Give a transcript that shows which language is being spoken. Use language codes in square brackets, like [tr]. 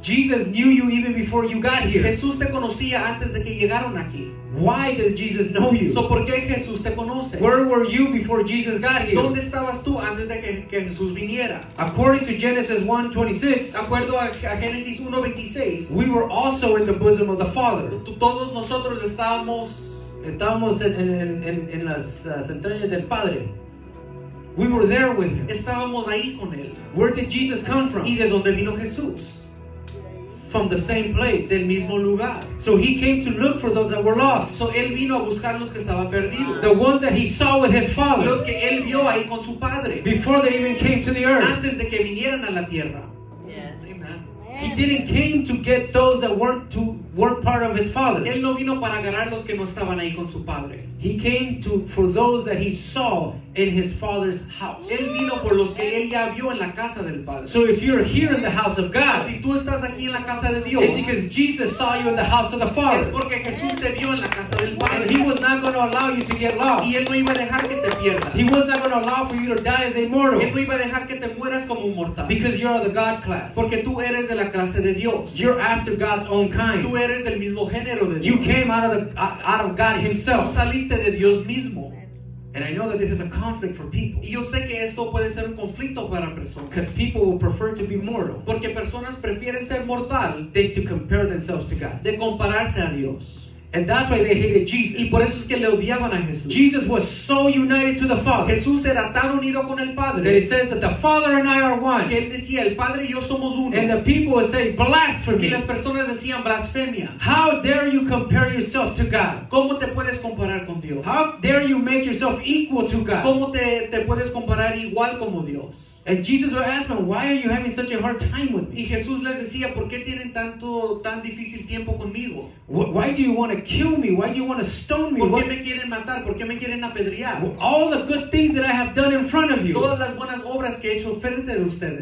[en] Jesus knew you even before you got here. [es] Jesús te conocía antes de que llegaron aquí. [en] Why does Jesus know you? [es] So, ¿por qué Jesús te conoce? [en] Where were you before Jesus got here? [es] ¿Dónde estabas tú antes de que Jesús viniera? [en] According to Genesis 1:26, [es] acuerdo a Génesis 1:26, [en] we were also in the bosom of the Father. [es] Todos nosotros estábamos en las entrañas del Padre. [en] We were there with him. [es] Estábamos ahí con él. [en] Where did Jesus come from? [es] ¿Y de dónde vino Jesús? [en] From the same place. [es] Del mismo lugar. [en] So he came to look for those that were lost. [es] So él vino a buscar los que estaban perdidos. [en] The ones that he saw with his father. [es] Los que él vio ahí con su padre. [en] Before they even came to the earth. [es] Antes de que vinieran a la tierra. [en] Yes. [es] Amen. [en] He didn't came to get those that weren't part of his father. [es] Él no vino para agarrar los que no estaban ahí con su padre. [en] He came to for those that he saw in his father's house. [es] Él vino por los que él ya vio en la casa del padre. [en] So if you're here in the house of God, [es] si tú estás aquí en la casa de Dios, [en] it's because Jesus saw you in the house of the Father. [es] Es porque Jesús te vio en la casa del padre. [en] And he was not going to allow you to get lost. [es] Y él no iba a dejar que te pierdas. [en] He was not going to allow for you to die as a mortal. [es] Él no iba a dejar que te mueras como un mortal. [en] Because you're of the God class. [es] Porque tú eres de la clase de Dios. [en] You're after God's own kind. [es] Tú eres eres del mismo género de Dios. [en] You came out of God himself. [es] Saliste de Dios mismo. [en] And I know that this is a conflict for people. [es] Y yo sé que esto puede ser un conflicto para personas. [en] Because people will prefer to be mortal. [es] Porque personas prefieren ser mortal [en] than to compare themselves to God. [es] De compararse a Dios. [en] And that's why they hated Jesus. [es] Y por eso es que le odiaban a Jesús. [en] Jesus was so united to the Father. [es] Jesús era tan unido con el Padre. [en] That he said that the Father and I are one. [es] Que él decía, el Padre y yo somos uno. [en] And the people would say blasphemy. [es] Y las personas decían blasfemia. [en] How dare you compare yourself to God? [es] ¿Cómo te puedes comparar con Dios? [en] How dare you make yourself equal to God? [es] ¿Cómo te puedes comparar igual como Dios? [en] And Jesus would ask them, why are you having such a hard time with me? [es] Y Jesús les decía, ¿por qué tienen tan difícil tiempo conmigo? [en] Why do you want to kill me? Why do you want to stone me? [es] ¿Por qué me quieren matar? ¿Por qué me quieren apedrear? [en] All the good things that I have done in front of you. [es] Todas las buenas obras que he hecho frente de ustedes.